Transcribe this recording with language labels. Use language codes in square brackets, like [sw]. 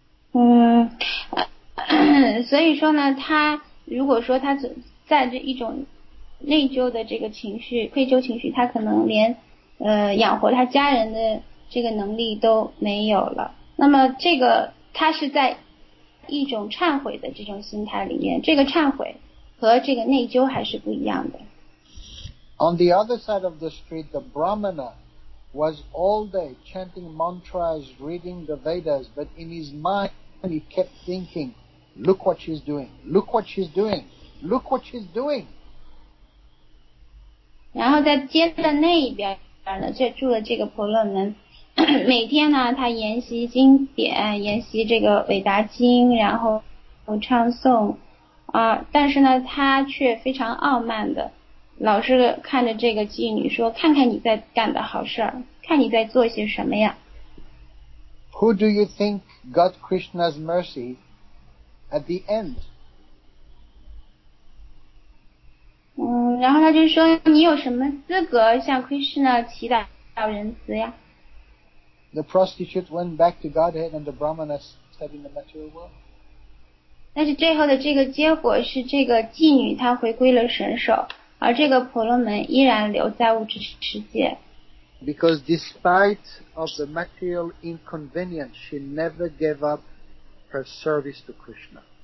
[zh] 所以说呢，他如果说他在这一种内疚的这个情绪，愧疚情绪，他可能连养活他家人的这个能力都没有了。那么这个他是在一种忏悔的这种心态里面，这个忏悔和这个内疚还是不一样的。 [en] On the other side of the street, the Brahmana was all day chanting mantras, reading the Vedas, but in his mind he kept thinking, look what she's doing, look what she's doing, look what she's doing. [zh] 然后在街的那一边呢，这住了这个婆罗门，每天呢，他研习经典，研习这个韦达经，然后唱诵，但是呢，他却非常傲慢的，老是看着这个妓女说：“看看你在干的好事，看你在做些什么呀。” [en] Who do you think got Krishna's mercy at the end? [zh] 然后他就说，你有什么资格向 Krishna 祈祷仁慈呀？ [en] The prostitute went back to Godhead and the Brahmana said in the material world. [zh] 但是最后的这个结果是这个妓女她回归了神手，而这个婆罗门依然留在物质世界。 [en] Because despite of the material inconvenience, she never gave up her service to Krishna.